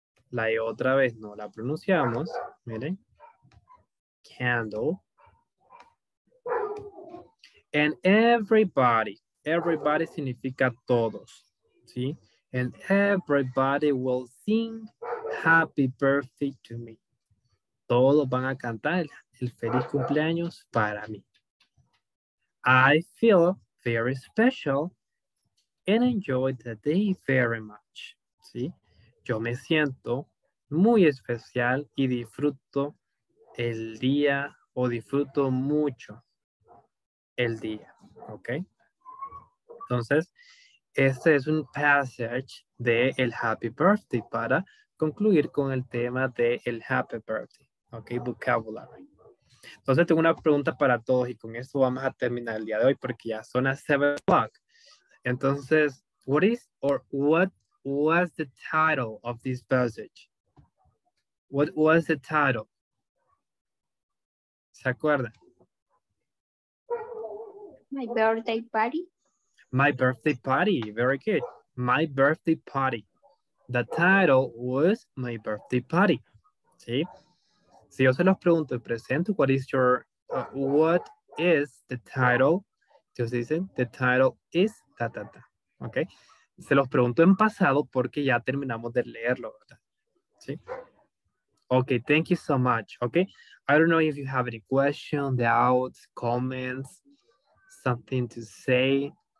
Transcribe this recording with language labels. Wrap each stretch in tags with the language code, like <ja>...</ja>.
<es>La E otra vez no la pronunciamos. Miren. Candle.</es> <en>And everybody</en> <es>significa todos, ¿sí?</es> <en>And everybody will sing happy birthday to me.</en> <es>Todos van a cantar el feliz cumpleaños para mí.</es> <en>I feel very special and enjoy the day very much, ¿sí?</en> <es>Yo me siento muy especial y disfruto el día o disfruto mucho el día, ¿ok? Entonces, este es un passage de el Happy Birthday para concluir con el tema de el Happy Birthday, ¿ok? Vocabulary. Entonces, tengo una pregunta para todos y con esto vamos a terminar el día de hoy porque ya son las 7 o'clock.</es> <en>Entonces, what is or what was the title of this passage? What was the title?</en> <es>¿Se acuerdan?</es> <en>My birthday party. My birthday party. Very good. My birthday party. The title was my birthday party. ¿Sí?</en> <es>Si yo se los pregunto en presente,</es> <en>what is your, what is the title?</en> <es>Ellos dicen,</es> <en>the title is ta ta ta. ¿Ok?</en> <es>Se los pregunto en pasado porque ya terminamos de leerlo, ¿verdad?</es> <en>¿Sí? Ok, thank you so much. Ok, I don't know if you have any questions, doubts, comments, something to say.</en>